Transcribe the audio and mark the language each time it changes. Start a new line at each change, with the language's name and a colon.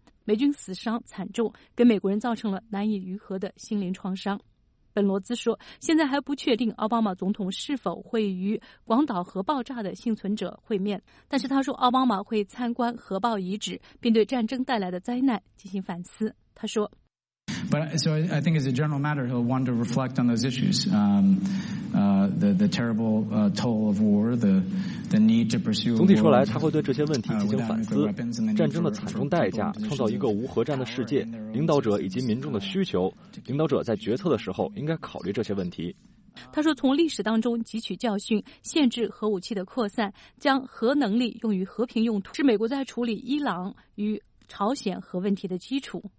Chinese: 美军死伤惨重，给美国人造成了难以愈合的心灵创伤。本罗兹说，现在还不确定奥巴马总统是否会与广岛核爆炸的幸存者会面，但是他说奥巴马会参观核爆遗址，并对战争带来的灾难进行反思。他说，
English: But so I think as a general matter, he'll want to reflect on those issues. The terrible toll of war, the need to pursue.
Chinese: 总体说来，他会对这些问题进行反思：战争的惨重代价，创造一个无核战的世界，领导者以及民众的需求，领导者在决策的时候应该考虑这些问题。他说，从历史当中汲取教训，限制核武器的扩散，将核能力用于和平用途，是美国在处理伊朗与朝鲜核问题的基础。